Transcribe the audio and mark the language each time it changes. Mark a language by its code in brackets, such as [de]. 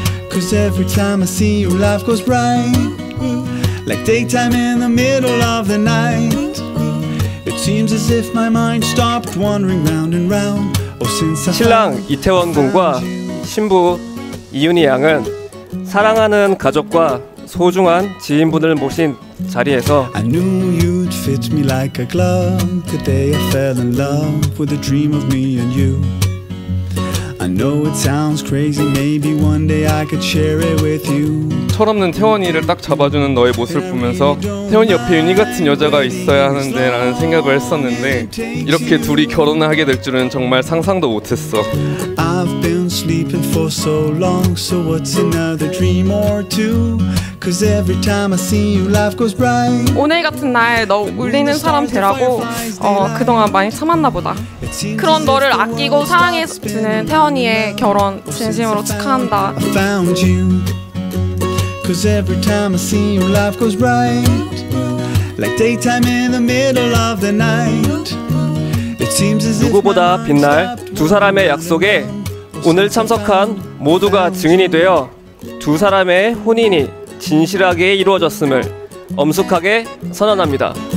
[en] 'Cause every time I see you, life goes bright, like daytime in the middle of the night. It seems as if my mind stopped wandering round and round. Oh, since I found you. [ko] 신랑 이태원 군과 신부 이윤희 양은 사랑하는 가족과 소중한 지인분을 모신 자리에서 [en] I knew you'd fit me like a glove. The day I fell in love with a dream of me and you. I know it sounds crazy. Maybe one day I could share it with you. [ko] 철없는 태원이를 딱 잡아주는 너의 모습을 보면서 태원이 옆에 윤희 같은 여자가 있어야 하는데 라는 생각을 했었는데 이렇게 둘이 결혼을 하게 될 줄은 정말 상상도 못했어. [en] I've been sleeping for so long. So what's another dream or two? Cause every time I see you, life goes bright. [ko] 오늘 같은 날 너 울리는 사람 되라고 그동안 많이 참았나 보다. 그런 너를 아끼고 사랑해 주는 태연이의 결혼 진심으로 축하한다. [en] I found you. Cause every time I see you, life goes bright. Like daytime in the middle of the night. [ko] 누구보다 빛날 두 사람의 약속에 오늘 참석한 모두가 증인이 되어 두 사람의 혼인이 진실하게 이루어졌음을 엄숙하게 선언합니다.